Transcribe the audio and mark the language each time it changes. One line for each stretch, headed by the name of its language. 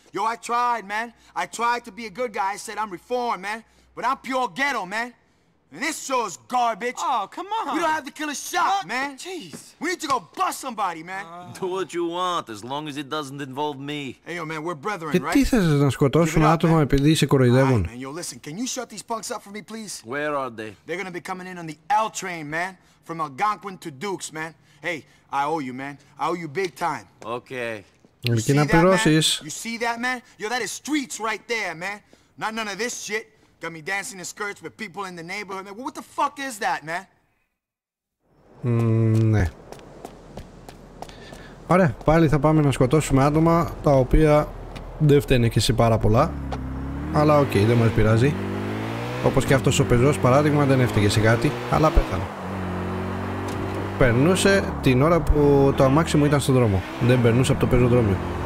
English: Yo, I tried, man. I tried to be a good guy. I said I'm reformed, man. But I'm pure ghetto, man. And this show is garbage. Oh, come on. We don't have the killer shot, what? Man. Jeez. We need to go bust somebody, man. Do what you want, as long as it doesn't involve me. Hey, yo, man, we're brethren,
Greek: και
English: right?
Greek: Και τι θες να σκοτώσουν άτομα επειδή σε κοροϊδεύουν.
English: Right, man, yo, listen, can you shut these punks up for me, please? Where are they? They're gonna be coming in on the L train, man. From Algonquin to Dukes, man. Hey, I owe you, man. I owe you big time. Okay.
Greek: Ελκύ να πληρώσεις.
English: You see that, man? Yo, that is streets right there, man. Not none of this shit. Got me dancing in skirts with people in the neighborhood. Man, what the fuck is that, man?
Greek: Ναι. Ωραία, πάλι θα πάμε να σκοτώσουμε άτομα τα οποία δεν φταίνε και σε πάρα πολλά. Αλλά οκ, okay, δεν μας πειράζει. Όπως και αυτός ο πεζός, παράδειγμα, δεν έφταιγε σε κάτι, αλλά πέθανε. Περνούσε την ώρα που το αμάξι μου ήταν στον δρόμο. Δεν περνούσε από το πεζοδρόμιο.